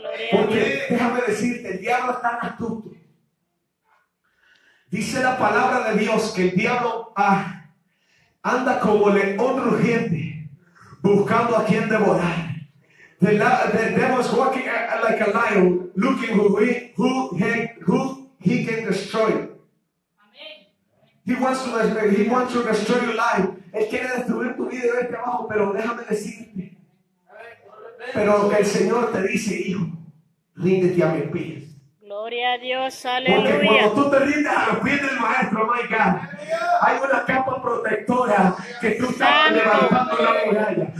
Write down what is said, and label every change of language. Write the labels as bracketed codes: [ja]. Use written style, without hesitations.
[es] Porque déjame decirte, el diablo es tan astuto. Dice la palabra de Dios que el diablo anda como león rugiente buscando a quien devorar. [en] The devil is walking like a lion, looking who he can destroy. He wants to destroy your life. [es] Él quiere destruir tu vida y verte abajo, pero déjame decirte. Pero que el Señor te dice, hijo, ríndete a mis pies. Gloria a Dios, aleluya. Porque cuando tú te rindes a los pies del Maestro, [en] oh my God, [es] hay una capa protectora que tú estás levantando una muralla.